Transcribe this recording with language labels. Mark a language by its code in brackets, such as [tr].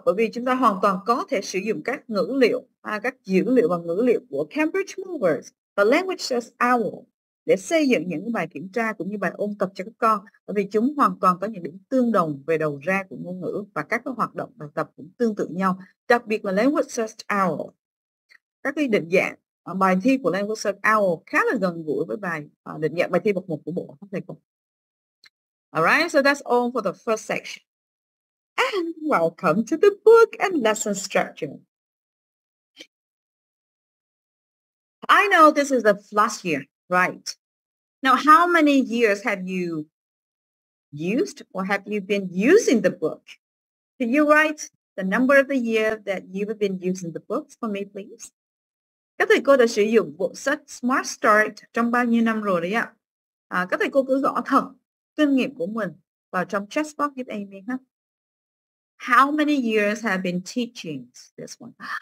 [vi] Bởi vì chúng ta hoàn toàn có thể sử dụng các ngữ liệu, các dữ liệu và ngữ liệu của Cambridge Movers và Language Test Owl để xây dựng những bài kiểm tra cũng như bài ôn tập cho các con, bởi vì chúng hoàn toàn có những điểm tương đồng về đầu ra của ngôn ngữ và các cái hoạt động bài tập cũng tương tự nhau, đặc biệt là Language Test Owl. Các cái định dạng bài thi của Language Cert Owl khá là gần gũi với bài định dạng bài thi bậc 1 của bộ. [en] All right, so that's all for the first section. And welcome to the book and lesson structure. I know this is the last year, right? Now, how many years have you used or have you been using the book? Can you write the number of the year that you've been using the books for me, please? [vi] Có thể cô đã sử dụng bộ sách Smart Start trong bao nhiêu năm rồi đấy ạ? À, có thể cô cứ gõ thật kinh nghiệm của mình vào trong chat box giúp Amy ha. [en] How many years have been teaching this one?